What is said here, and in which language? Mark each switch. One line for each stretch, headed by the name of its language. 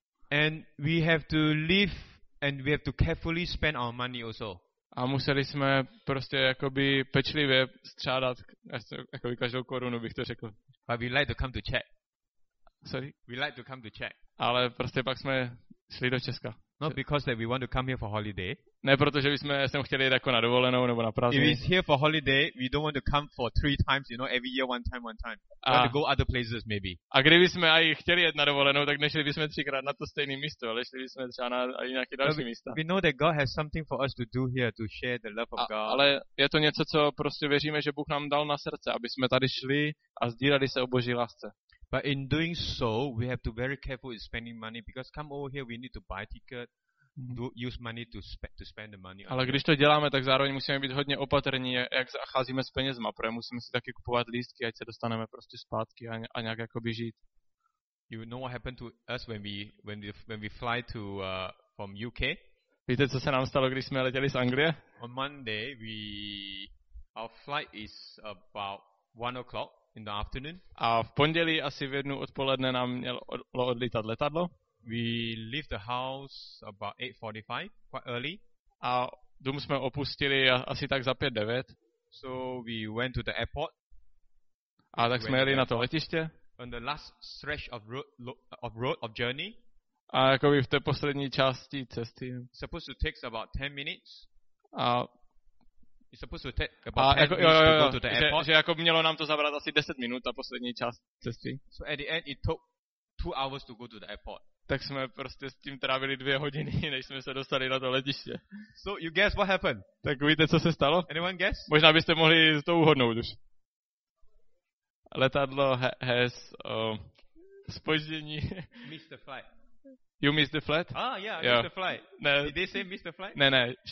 English: And we have to live and we have to carefully spend our money also.
Czech: A museli jsme prostě jakoby pečlivě střádat jakoby každou korunu, bych to řekl.
English: But we like to come to Czech. Sorry? We like to come to Czech.
Czech: Ale prostě pak jsme šli do Česka.
English: Not because that we want to come here for holiday.
Czech: Ne, protože bychom sem chtěli jít jako na dovolenou nebo na prázdniny.
English: If it's here for holiday, we don't want to come for three times, you know, every year one time. We want to go other places maybe.
Czech: A kdybychom aj chtěli jít na dovolenou, tak nešli bychom třikrát na to stejné místo, ale šli bychom třeba na nějaké další místa.
English: We know that God has something for us to do here, to share the love of God.
Czech: Ale je to něco, co prostě věříme, že Bůh nám dal na srdce, aby jsme tady šli a sdíleli se o Boží lásce.
English: But in doing so, we have to be very careful with spending money because come over here, we need to buy ticket, use money to spend the money.
Czech: Ale když to děláme, tak zároveň musíme být hodně opatrní, jak zacházíme s penězma, protože musíme si taky kupovat lístky, ať se dostaneme prostě zpátky a nějak jakoby žít.
English: You know what happened to us when we fly to from UK?
Czech: Víte, co se nám stalo, když jsme letěli z Anglie?
English: On Monday, our flight is about 1 o'clock. In the afternoon.
Czech: A v pondělí asi v jednu odpoledne nám mělo odlítat letadlo.
English: We leave the house about 8:45, quite early.
Czech: A dům jsme opustili asi tak za 8:45.
English: So we went to the airport.
Czech: A tak jsme jeli na to letiště.
English: On the last stretch of journey.
Czech: A jakoby v té poslední části cesty.
English: Supposed to take about 10 minutes.
Czech: A
English: it's supposed to take about 10 minutes to go to the airport.
Czech: Že jako mělo nám to zabrat asi 10 minut ta poslední část cesty.
English: So at the end it took 2 hours to go to the airport.
Czech: Tak jsme prostě s tím trávili 2 hodiny, než jsme se dostali na to letiště.
English: So you guess what happened?
Czech: Tak víte, co se stalo?
English: Anyone guess?
Czech: Možná byste mohli to uhodnout už. Letadlo has spoždění.
English: Missed the flight. You missed the flight? Yeah. Missed the flight.
Czech: Ne.
English: Did they say missed the flight?
Czech: Ne.